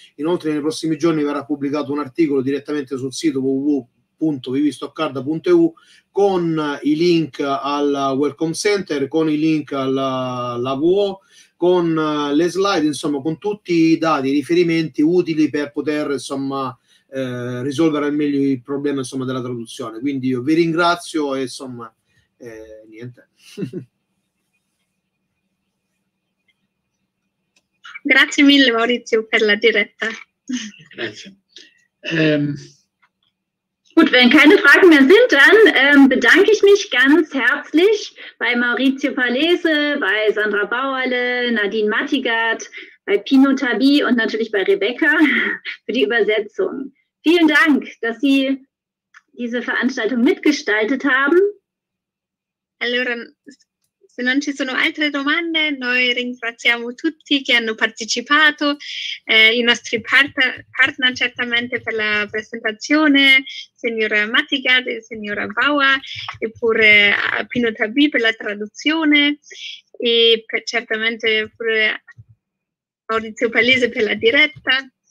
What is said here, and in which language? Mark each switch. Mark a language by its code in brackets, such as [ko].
[it] Inoltre nei prossimi giorni verrà pubblicato un articolo direttamente sul sito www.vivistoccarda.eu con i link al Welcome Center, con i link alla WO, con le slide, insomma, con tutti i dati, i riferimenti utili per poter, insomma, risolvere al meglio il problema, insomma, della traduzione. Quindi io vi ringrazio e, insomma, niente. Grazie mille, Maurizio, per la diretta. Grazie. [de] Gut, wenn keine Fragen mehr sind, dann bedanke ich mich ganz herzlich bei Maurizio Palese, bei Sandra Bauerle, Nadine Mattigat, bei Pino Tabi und natürlich bei Rebecca für die Übersetzung. Vielen Dank, dass Sie diese Veranstaltung mitgestaltet haben. [it] Allora, se non ci sono altre domande, noi ringraziamo tutti che hanno partecipato, i nostri partner certamente per la presentazione, signora Mattigat e signora Bauer, eppure Pino Tabi per la traduzione e certamente pure Maurizio Palese per la diretta.